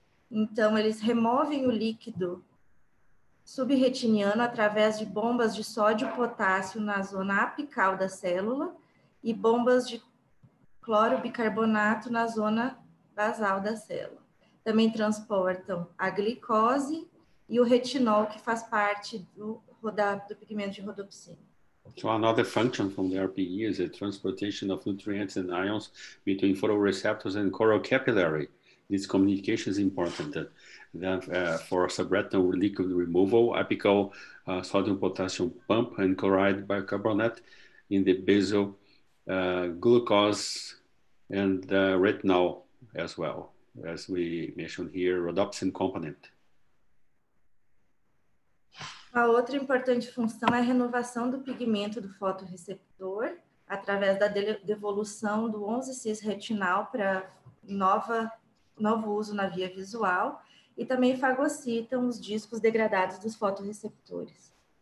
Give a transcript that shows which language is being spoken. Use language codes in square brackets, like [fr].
[pt] Então, eles removem o líquido subretiniano através de bombas de sódio e potássio na zona apical da célula e bombas de cloro bicarbonato na zona basal da célula. Também transportam a glicose e o retinol, que faz parte do pigmento de rodopsina. [en] So another function from the RPE is the transportation of nutrients and ions between photoreceptors and choroid capillary. This communication is important for subretinal liquid removal, apical sodium potassium pump and chloride bicarbonate in the basal glucose and retinol as well, as we mentioned here, rhodopsin component. [pt] A outra importante função é a renovação do pigmento do fotorreceptor através da devolução do 11-cis retinal para novo uso na via visual e também fagocitam os discos degradados dos fotorreceptores.